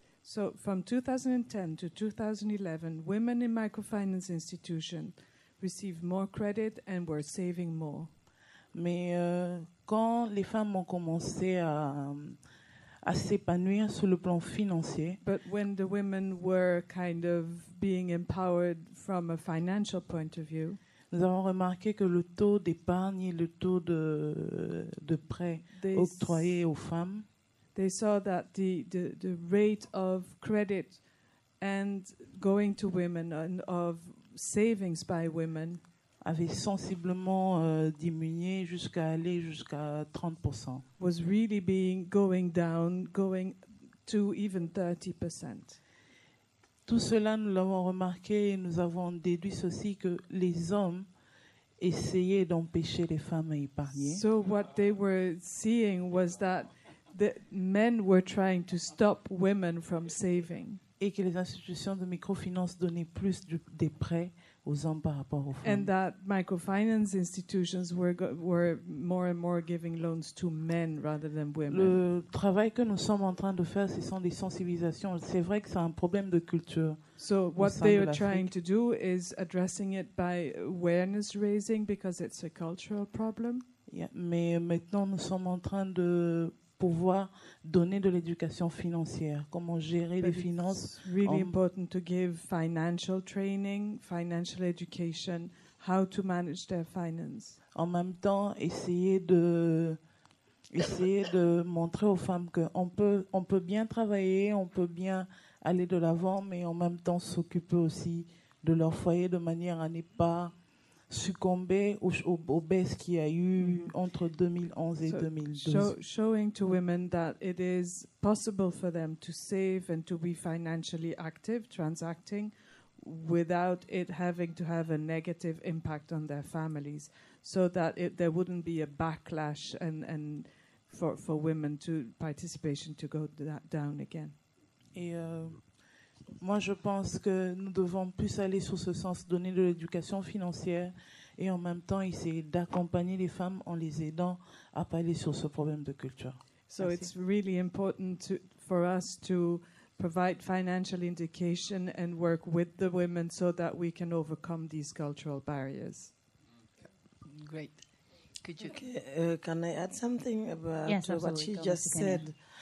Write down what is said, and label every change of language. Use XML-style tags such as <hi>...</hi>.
<en>So from 2010 to 2011, women in microfinance institutions received more credit and were saving more.</en> <fr>Mais quand les femmes ont commencé à s'épanouir sur le plan financier.</fr> <en>But when the women were kind of being empowered from a financial point of view,</en> <fr>nous avons remarqué que le taux d'épargne et le taux de prêts octroyés aux femmes,</fr> <en>they saw that the rate of credit and going to women and of savings by women</en> <fr>avait sensiblement diminué jusqu'à 30%.</fr> <en>Was really being going down, going to even 30%.</en> <fr>Tout cela, nous l'avons remarqué et nous avons déduit ceci que les hommes essayaient d'empêcher les femmes à épargner.</fr> <en>So what they were seeing was that the men were trying to stop women from saving.</en> <fr>Et que les institutions de microfinance donnaient plus de prêts aux hommes par rapport aux femmes.</fr> <en>And that microfinance institutions were more and more giving loans to men rather than women.</en> <fr>Le travail que nous sommes en train de faire, ce sont des sensibilisations. C'est vrai que c'est un problème de culture.</fr> <en>So what they are trying to do is addressing it by awareness raising because it's a cultural problem.</en> <fr>Yeah, mais maintenant nous sommes en train de pouvoir donner de l'éducation financière, comment gérer</fr> <en>But</en> <fr>les finances.</fr> <en>It's really important to give financial training, financial education, how to manage their finance.</en> <fr>En même temps, essayer de montrer aux femmes que on peut bien travailler, on peut bien aller de l'avant, mais en même temps s'occuper aussi de leur foyer de manière à ne pas succomber aux baisses qu'il y a eu entre 2011 et 2012.</fr> <en>Showing to women that it is possible for them to save and to be financially active, transacting, without it having to have a negative impact on their families, so that there wouldn't be a backlash and for women to participation to go down again.</en> <fr>Moi, je pense que nous devons plus aller sur ce sens, donner de l'éducation financière et en même temps essayer d'accompagner les femmes en les aidant à pas aller sur ce problème de culture. So merci.</fr> <en>It's really important for us to provide financial education and work with the women so that we can overcome these cultural barriers. Great. Could you? Okay, can I add something about what she just said?</en>